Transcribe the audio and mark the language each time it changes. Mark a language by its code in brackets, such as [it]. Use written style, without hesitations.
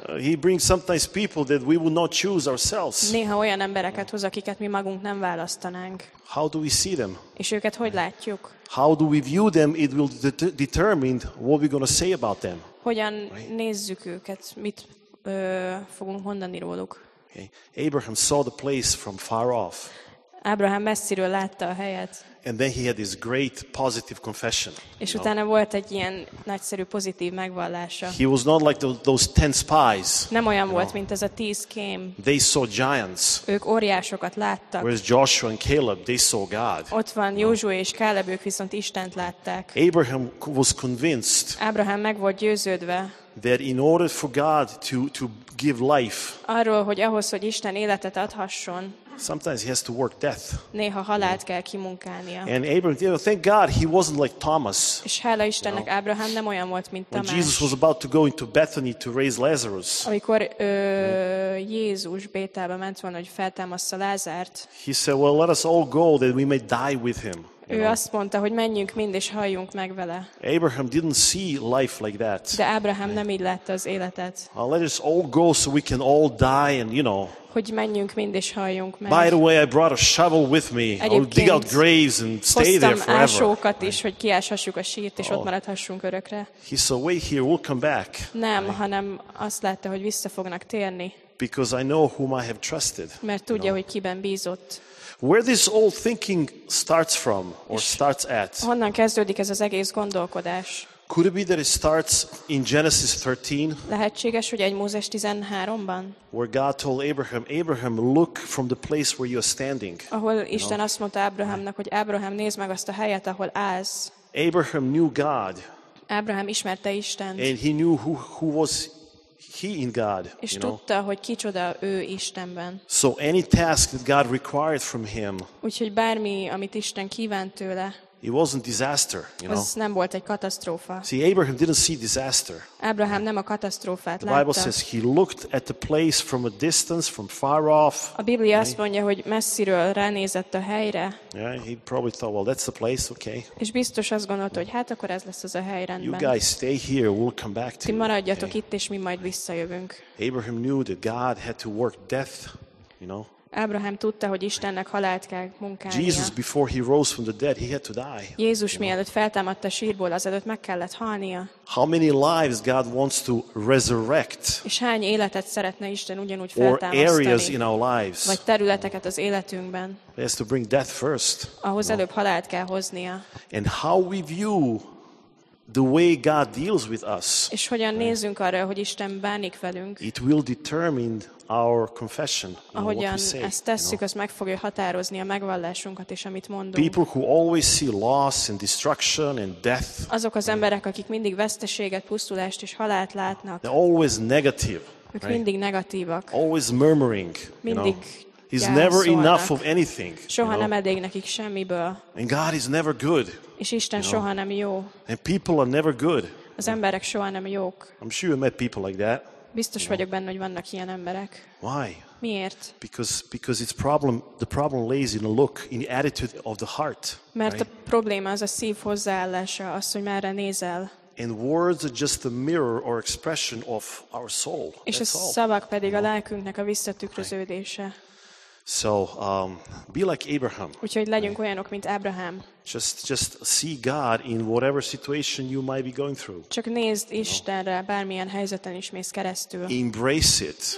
[en] he brings sometimes people that we would not choose ourselves. [hu] Néha olyan embereket hoz, akiket mi magunk nem választanánk. [en] How do we see them? [hu] És őket hogy látjuk? [en] How do we view them? It will determine what we're going to say about them. [hu] Hogyan nézzük őket? Mit fogunk mondani róluk? [en] Okay. Abraham saw the place from far off. [hu] Abraham messziről látta a helyet. [en] And then he had this great positive confession. [hu] És utána volt egy ilyen nagyszerű pozitív megvallása. [en] He was not like those 10 spies. [hu] Nem olyan volt, mint az a 10 kém. [en] They saw giants. [hu] Ők óriásokat láttak. [en] Whereas Joshua and Caleb, they saw God. [hu] Ott van Józsué és Káleb, ők viszont Istent látták. [en] Abraham was convinced. [hu] Abraham meg volt győződve. [en] That in order for God to give life. [hu] Arról, hogy ahhoz, hogy Isten életet adhasson. [en] Sometimes he has to work death. [hu] Néha halált kell kimunkálnia. [en] And Abraham, you know, thank God he wasn't like Thomas. [hu] És hála Istennek, Abraham nem olyan volt, mint Tamás. [en] When Jesus was about to go into Bethany to raise Lazarus. [hu] Amikor Jézus Bételbe ment volna, hogy feltámaszta Lázárt. [en] He said, well, let us all go that we may die with him. [hu] Ő azt mondta, hogy menjünk mind és halljunk meg vele. [en] Abraham didn't see life like that. [hu] De Abraham nem így látta az életet. [en] Let us all go so we can all die and you know. [hu] Hogy menjünk mind és halljunk meg. [en] By the way, I brought a shovel with me. I'll dig out graves and stay there forever. [hu] Hoztam ásókat is, hogy kiáshassuk a sírt és ott maradhassunk örökre. [en] He said, wait here, we'll come back. [hu] Nem, hanem azt látta, hogy vissza fognak térni. [en] Because I know whom I have trusted. [hu] Mert tudja, hogy kiben bízott. [en] Where this old thinking starts from or starts at? [hu] Honnan kezdődik ez az egész gondolkodás? [en] Could it be that it starts in Genesis 13? [hu] Lehetséges, hogy egy Mózes 13-ban? [en] Where God told Abraham, Abraham, look from the place where you are standing. [hu] Ahol Isten azt mondta Abrahamnak, hogy Abraham, nézd meg azt a helyet, ahol állsz. [en] Abraham knew God. [hu] Abraham ismerte Istent. [en] And he knew who was He in God, [hu] és tudta, hogy kicsoda ő Istenben. [en] So any task that God required from him. [hu] Úgyhogy bármi, amit Isten kívánt tőle. [en] It wasn't disaster, [hu] Az nem volt egy katasztrófa. [en] See, Abraham didn't see disaster. [hu] Abraham nem a katasztrófát látta. [en] The Bible says he looked at the place from a distance, from far off. [hu] A Biblia azt mondja, hogy messziről ránézett a helyre. [en] Yeah, he probably thought, well, that's the place, okay. [hu] És biztos azt gondolta, hogy hát akkor ez lesz az a hely, rendben. [en] You guys stay here, we'll come back to you. [hu] Ti maradjatok itt, és mi majd visszajövünk. [en] Abraham knew that God had to work death, [hu] Abraham tudta, hogy Istennek halált kell munkálnia. [en] Jesus before he rose from the dead, he had to die. [hu] Jézus mielőtt feltámadt a sírból, azelőtt meg kellett halnia. [en] How many lives God wants to resurrect? [hu] És hány életet szeretne Isten ugyanúgy feltámasztani? [en] Or areas in our lives. [hu] Vagy területeket az életünkben. [en] He has to bring death first. [hu] Ahhoz előbb halált kell hoznia. [en] And how we view the way God deals with us. [hu] És hogyan nézünk arra, hogy Isten bánik velünk? [en] It will determine our confession. [hu] Ahogyan ezt tesszük, az meg fogja határozni a megvallásunkat és amit mondunk. [en] People who always see loss and destruction and death. [hu] Azok az emberek, akik mindig veszteséget, pusztulást és halált látnak. [en] They're always negative. [hu] Ők mindig negatívak. [en] Always murmuring. [hu] Mindig [en] He's never enough of anything. [hu] Soha nem elég nekik semmiből. [en] And God is never good. [hu] És Isten soha nem jó. [en] And people are never good. [hu] Az emberek soha nem jók. [en] I'm sure you met people like that. [hu] Biztos vagyok benne, hogy vannak ilyen emberek. [en] Why? [hu] Miért? [en] Because it's problem, the problem lays in the look, in the attitude of the heart. [hu] Mert a probléma az a szív hozzáállása, az, hogy merre nézel. [en] And words are just a mirror or expression of our soul. [hu] És a szavak pedig a lelkünknek a visszatükröződése. [en] So, be like Abraham. [hu] Úgyhogy legyünk olyanok, mint Abraham. [en] Just see God in whatever situation you might be going through. [hu] Csak nézd Istenre, bármilyen helyzeten is mész keresztül. [en] Embrace it.